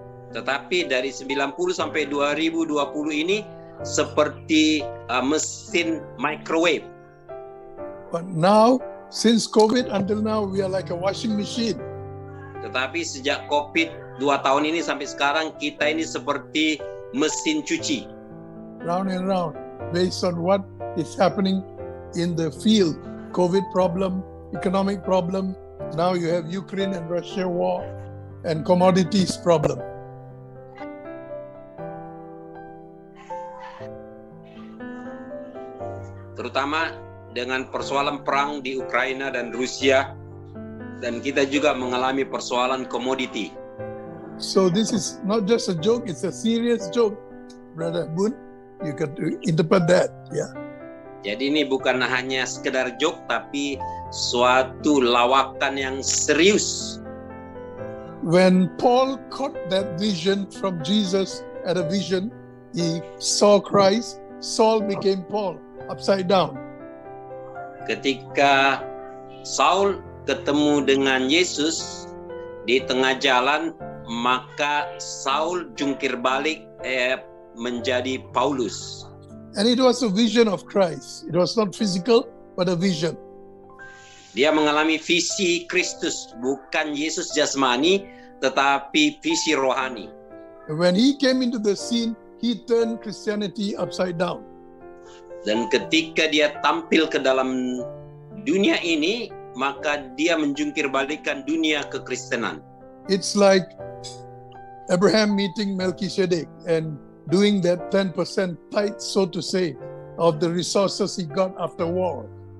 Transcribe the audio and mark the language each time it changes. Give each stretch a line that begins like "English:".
Indonesian: Tetapi dari 90 sampai 2020 ini seperti mesin microwave.
English: But now, since COVID until now, we are like a washing machine.
Indonesian: Tetapi sejak COVID 2 tahun ini sampai sekarang, kita ini seperti mesin cuci.
English: Round and round, based on what is happening in the field. COVID problem, economic problem, now you have Ukraine and Russia war, and commodities problem.
Indonesian: Terutama dengan persoalan perang di Ukraina dan Rusia, dan kita juga mengalami persoalan komoditi.
English: So this is not just a joke, it's a serious joke, Brother Boon. You can interpret that, yeah.
Indonesian: Jadi ini bukan hanya sekedar joke, tapi suatu lawakan yang serius.
English: When Paul caught that vision from Jesus at a vision, he saw Christ, Saul became Paul. Upside down.
Indonesian: Ketika Saul ketemu dengan Yesus di tengah jalan, maka Saul jungkir balik menjadi Paulus.
English: And it was a vision of Christ. It was not physical, but a vision.
Indonesian: Dia mengalami visi Kristus, bukan Yesus jasmani, tetapi visi rohani.
English: When he came into the scene, he turned Christianity upside down.
Indonesian: Dan ketika dia tampil ke dalam dunia ini, maka dia menjungkirbalikkan dunia kekristenan.
English: It's like Abraham meeting Melchizedek and doing that 10% tithe, so to say, of the resources he got after war.